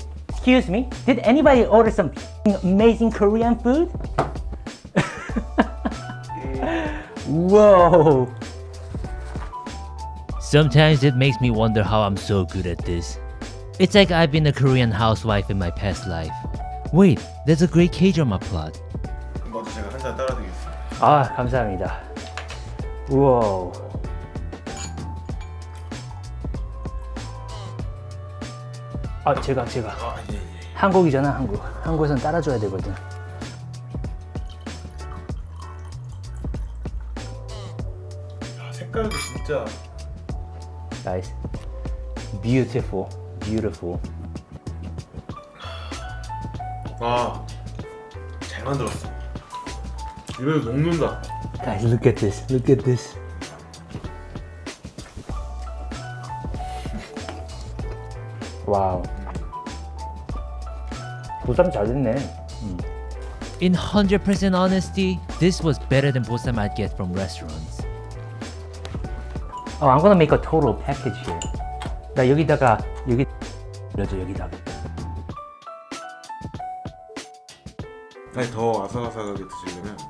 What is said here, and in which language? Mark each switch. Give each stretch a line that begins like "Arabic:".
English: Excuse me, did anybody order some amazing Korean food? Whoa! Sometimes it makes me wonder how I'm so good at this. It's like I've been a Korean housewife in my past life. Wait, there's a great K-drama plot.
Korean: 한번 제가 한잔 따라드리겠습니다. 아, 감사합니다. 우와. 아, 제가. 아, 예. 한국이잖아, 한국. 한국에서는 따라줘야 되거든. 야, 색깔도 진짜.
English: Nice. Beautiful. Beautiful.
Korean: 와, 잘 만들었어. 입에서 녹는다.
English: Guys, look at this. Look at this.
Korean: 와우. 보쌈 잘 됐네.
English: In 100% honesty, this was better than bossam I'd get from restaurants. Oh, I'm gonna make a total package here.
Korean: 나 여기다가 여기 넣어줘 여기다가. 아니 더 아삭아삭하게 드시려면.